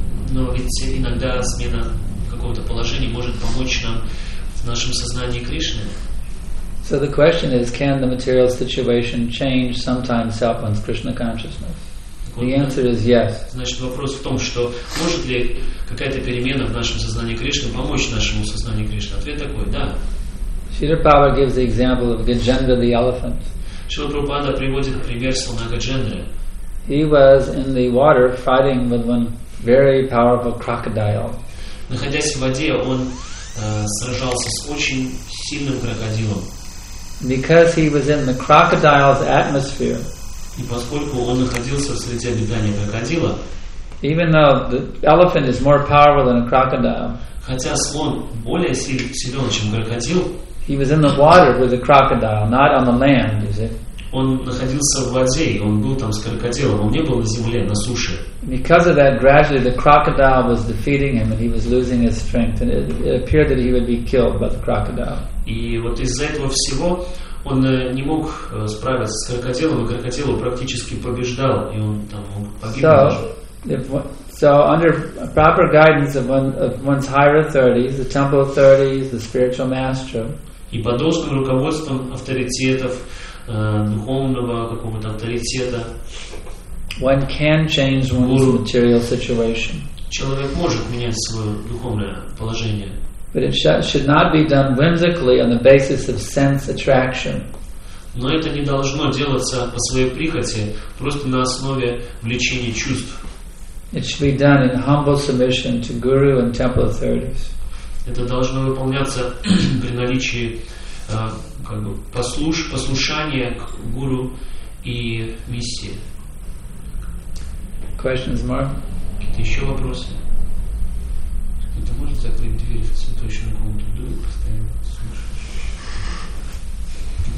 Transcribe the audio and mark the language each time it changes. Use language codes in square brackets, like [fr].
[ru] Но ведь иногда смена какого-то положения может помочь нам в нашем сознании Кришны. [en] So the question is, can the material situation change sometimes help one's Krishna consciousness? The answer is yes. [ru] Значит, вопрос в том, что может ли какая-то перемена в нашем сознании Кришны помочь нашему сознанию Кришны? Ответ такой: да. [en] Шрила Прабхупада gives the example of Gajendra the elephant. [ru] Шрила Прабхупада приводит пример слона Гаджендры. [en] He was in the water fighting with one very powerful crocodile. [ru] Находясь в воде, он сражался с очень сильным крокодилом. [en] Because he was in the crocodile's atmosphere. [ru] И поскольку он находился среди обитания крокодила. [en] Even though the elephant is more powerful than a crocodile. [ru] Хотя слон более силен, чем крокодил. [en] He was in the water with the crocodile, not on the land, is it? [ru] Он находился в воде, и он был там с крокодилом. Он не был на земле, на суше. [en] Because of that, gradually the crocodile was defeating him, and he was losing his strength, and it appeared that he would be killed by the crocodile. [ru] И вот из-за этого всего он не мог справиться с крокодилом, и крокодил практически побеждал, и он там погиб. [en] So, under proper guidance of one's higher authorities, the temple authorities, the spiritual master. [ru] И под должным руководством авторитетов. Духовного какого-то авторитета. [en] One can change one's material situation. [ru] Человек может менять свое духовное положение. [en] But it should not be done whimsically on the basis of sense attraction. [ru] Но это не должно делаться по своей прихоти, просто на основе влечения чувств. [en] It should be done in humble submission to guru and temple authorities. [ru] Это должно выполняться при наличии как бы послушание к гуру и миссии. [en] Questions more? [ru] Какие-то еще вопросы? Кто-то может закрыть дверь в цветочную комнату? Дует постоянно, слушаешь.